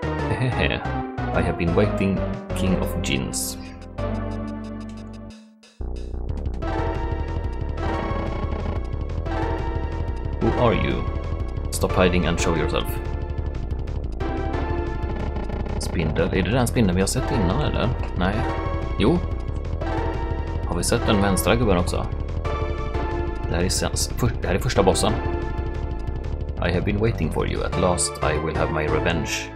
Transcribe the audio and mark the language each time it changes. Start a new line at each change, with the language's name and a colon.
English: Hehehe. I have been waiting, King of Jeans. Who are you? Stop hiding and show yourself.
Swedish: Spindel? Är det den spindeln vi har sett innan eller? Nej. Jo. Har vi sett den vänstra gubben också? Det här är första bossen.
English: I have been waiting for you. At last I will have my revenge.